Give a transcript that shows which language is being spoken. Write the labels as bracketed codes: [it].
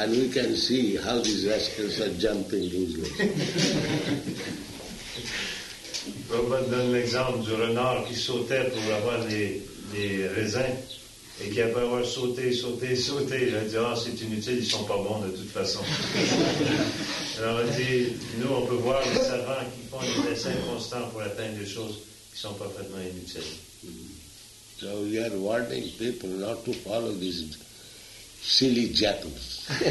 [en] And we can see how these rascals are jumping useless. [fr] Prabhupada donne l'exemple du renard qui sautait pour avoir les raisins et qui après avoir sauté, il a dit, ah, c'est inutile, ils sont pas bons de toute façon. Alors on dit, nous on peut voir les savants qui font des dessins constants pour atteindre des choses qui sont parfaitement inutiles. [en] So we are warning people not to follow this silly jackals.